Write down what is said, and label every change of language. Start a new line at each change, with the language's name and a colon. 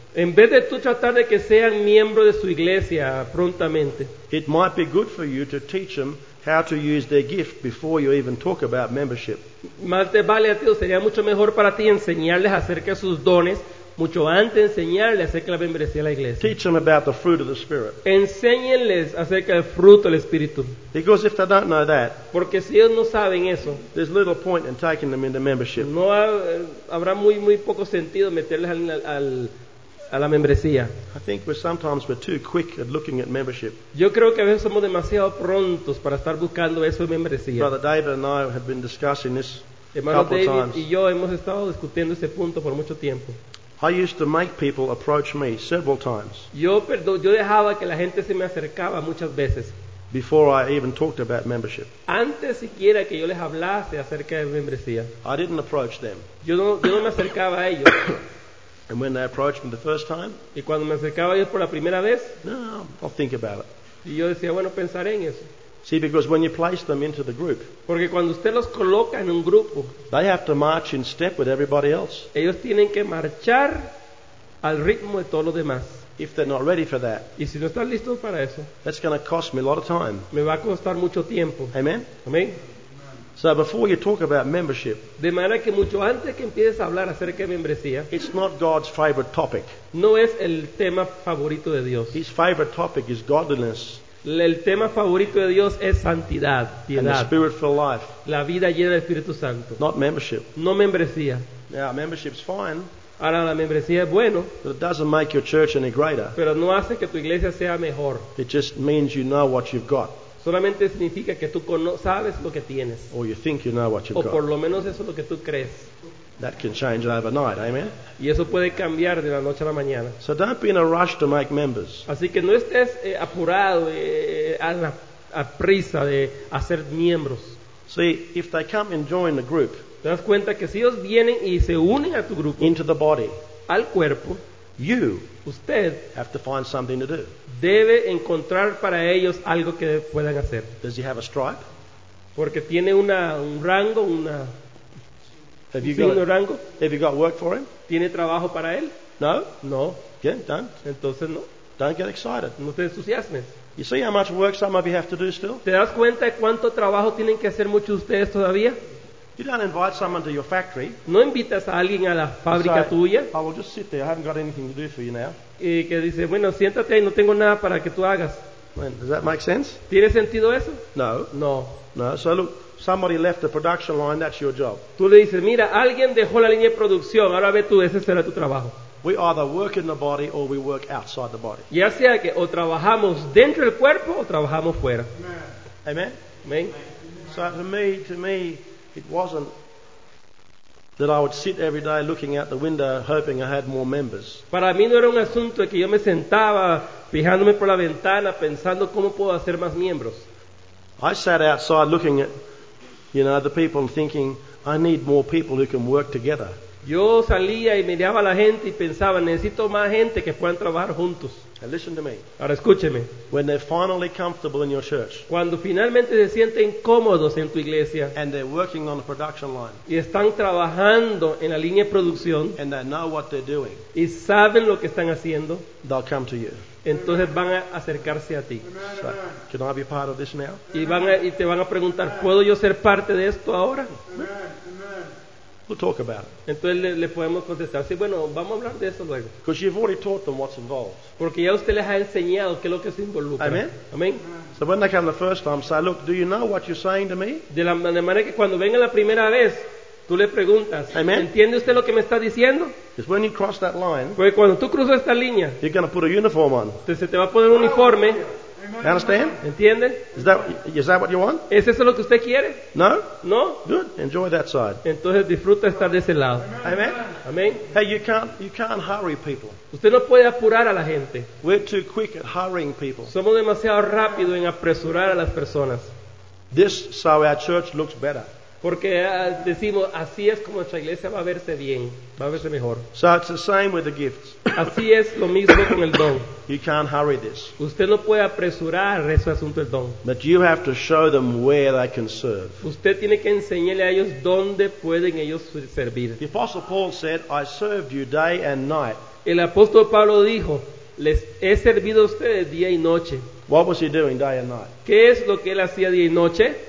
Spanish: en vez de tú tratar de que sean miembro de su iglesia prontamente,
English: it might be good for you to teach them how to use their gift before you even talk about membership.
Spanish: Más te vale a ti, sería mucho mejor para ti enseñarles acerca de sus dones mucho antes de enseñarles acerca de la membresía de la iglesia.
English: Teach them about the fruit of the Spirit.
Spanish: Enséñenles acerca del fruto del Espíritu.
English: Because if they don't know that,
Spanish: porque si ellos no saben eso,
English: there's little point in taking them into membership.
Spanish: No habrá muy muy poco sentido meterles a la membresía.
English: I think we're too quick at looking at membership.
Spanish: Yo creo que a veces somos demasiado prontos para estar buscando eso de membresía.
English: Brother David and I have been discussing this
Spanish: hermano
English: couple David times.
Spanish: Y yo hemos estado discutiendo ese punto por mucho tiempo.
English: I used to make people approach me several times.
Spanish: Yo dejaba que la gente se me acercaba muchas veces.
English: Before I even talked about membership.
Spanish: Antes siquiera que yo les hablase acerca de membresía.
English: I didn't approach them.
Spanish: Yo no me acercaba a ellos.
English: And when they approached me the first time,
Spanish: y cuando me acercaba a ellos por la primera vez,
English: no, I'll think about it.
Spanish: Y yo decía, bueno, pensaré en eso.
English: See, because when you place them into the group,
Spanish: porque cuando usted los coloca en un grupo,
English: they have to march in step with everybody else.
Spanish: Ellos tienen que marchar al ritmo de todos los demás.
English: If they're not ready for that,
Spanish: y si no están listos para eso,
English: that's going to cost me a lot of time.
Spanish: Me va a costar mucho tiempo.
English: Amen.
Spanish: Amen.
English: So before you talk about membership,
Spanish: de manera que mucho antes que empieces a hablar acerca de membresía,
English: it's not God's favorite topic.
Spanish: No es el tema favorito de Dios.
English: His favorite topic is godliness.
Spanish: El tema favorito de Dios es santidad, piedad,
English: and the spirit-filled life.
Spanish: La vida llena del Espíritu Santo.
English: Not membership.
Spanish: No membresía.
English: Now, membership's fine.
Spanish: Ahora la membresía es bueno.
English: But it doesn't make your church any greater.
Spanish: Pero no hace que tu iglesia sea mejor.
English: It just means you know what you've got.
Spanish: Solamente significa que tú sabes lo que tienes.
English: Or you think you know what you've got.
Spanish: O por lo menos eso es lo que tú crees.
English: That can change overnight, amen?
Spanish: Y eso puede cambiar de la noche a la mañana.
English: So don't be in a rush to make members.
Spanish: Así que no estés apurado a prisa de hacer miembros.
English: See, if they come and join the group,
Spanish: te das cuenta que si ellos vienen y se unen a tu grupo,
English: into the body,
Spanish: al cuerpo,
English: you,
Spanish: usted,
English: have to find something to do.
Spanish: Debe encontrar para ellos algo que puedan hacer.
English: Does he have a stripe?
Spanish: Porque tiene un rango, una...
English: Have you, got,
Spanish: rango?
English: Have you got work for him?
Spanish: ¿Tiene trabajo para él?
English: No.
Spanish: No.
English: Yeah, don't.
Spanish: Entonces no.
English: Don't get excited.
Spanish: No te entusiasmes.
English: You see how much work some of you have to do still?
Spanish: ¿Te das cuenta de cuánto trabajo tienen que hacer muchos de ustedes todavía?
English: You don't invite someone to your factory.
Spanish: No invitas a alguien a la fábrica so, tuya.
English: I will just sit there. I haven't got anything to do for you now.
Spanish: Y que dice, bueno, siéntate ahí, no tengo nada para que tú hagas.
English: When, does that make sense?
Spanish: ¿Tiene sentido eso?
English: No.
Spanish: No.
English: No, so look. Somebody left the production line, that's your job.
Spanish: Tú le dices, mira, alguien dejó la línea de producción, ahora ve tú, ese será tu trabajo.
English: We either work in the body or we work outside the body.
Spanish: Ya sea que o trabajamos dentro del cuerpo o trabajamos fuera.
English: Amen.
Spanish: Amen.
English: So to me it wasn't that I would sit every day looking out the window hoping I had more members.
Spanish: Para mí no era un asunto de que yo me sentaba fijándome por la ventana pensando cómo puedo hacer más miembros.
English: I sat outside looking at, you know, the people thinking, I need more people who can work together.
Spanish: Yo salía y miraba a la gente y pensaba, necesito más gente que puedan trabajar juntos.
English: Listen to me.
Spanish: Ahora escúcheme.
English: When they're finally comfortable in your church,
Spanish: cuando finalmente se sienten cómodos en tu iglesia,
English: and they're working on the production line,
Spanish: y están trabajando en la línea de producción,
English: and they know what they're doing,
Spanish: y saben lo que están haciendo,
English: they'll come to you.
Spanish: Entonces van a acercarse a ti.
English: So, can I be part of this now?
Spanish: Y te van a preguntar, ¿puedo yo ser parte de esto ahora?
English: We'll talk about it.
Spanish: Entonces le podemos contestar, sí, bueno, vamos a hablar de eso luego.
English: Because you've already taught them what's involved.
Spanish: Porque ya usted les ha enseñado qué es lo que se involucra.
English: Amen.
Spanish: Amen.
English: So when they come the first time, say, look, do you know what you're saying to me?
Spanish: De manera que cuando venga la primera vez, tú le preguntas, amen, ¿entiende usted lo que me está diciendo?
English: Because when you cross that line,
Spanish: porque cuando tú cruzas esta línea,
English: you're going to put a uniform on.
Spanish: Se te va a poner un uniforme.
English: Understand?
Spanish: ¿Entiende?
English: Is that what you want?
Spanish: ¿Es eso lo que usted quiere?
English: No?
Spanish: No?
English: Good. Enjoy that side.
Spanish: Entonces disfruta estar de ese lado.
English: Amen.
Spanish: Amen.
English: Hey, you can't hurry people.
Spanish: Usted no puede apurar a la gente.
English: We're too quick at hurrying people.
Spanish: Somos demasiado rápido en apresurar a las personas.
English: This so our church looks better.
Spanish: Porque decimos, así es como nuestra iglesia va a verse bien, va a verse mejor.
English: So it's the same with the gifts.
Spanish: Así es lo mismo con el don.
English: You can't hurry this.
Spanish: Usted no puede apresurar ese asunto del don.
English: But you have to show them where they can serve.
Spanish: Usted tiene que enseñarle a ellos dónde pueden ellos servir.
English: The Apostle Paul said, I served you day and night.
Spanish: El apóstol Pablo dijo, les he servido a ustedes día y noche.
English: What was he doing day and night?
Spanish: ¿Qué es lo que él hacía día y noche?